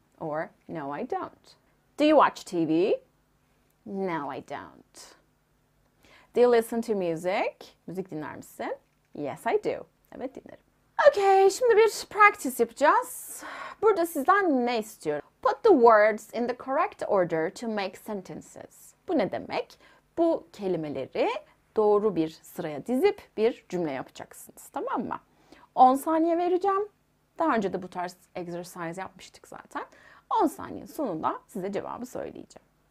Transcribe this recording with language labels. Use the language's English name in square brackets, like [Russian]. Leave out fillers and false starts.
[English] Or, no, I don't. Do you watch TV? No, I don't. Do you listen to music? [Turkish] Müzik dinler misin? [English] Yes, I do. [Turkish] Evet, dinlerim. Okay, şimdi bir practice yapacağız. Burada sizden ne istiyorum? [English] Put the words in the correct order to make sentences. [Turkish] Bu ne demek? Bu kelimeleri doğru bir sıraya dizip bir cümle yapacaksınız. Tamam mı? 10 saniye vereceğim. Daha önce de bu tarz exercise yapmıştık zaten. 10 saniye sonunda size cevabı söyleyeceğim.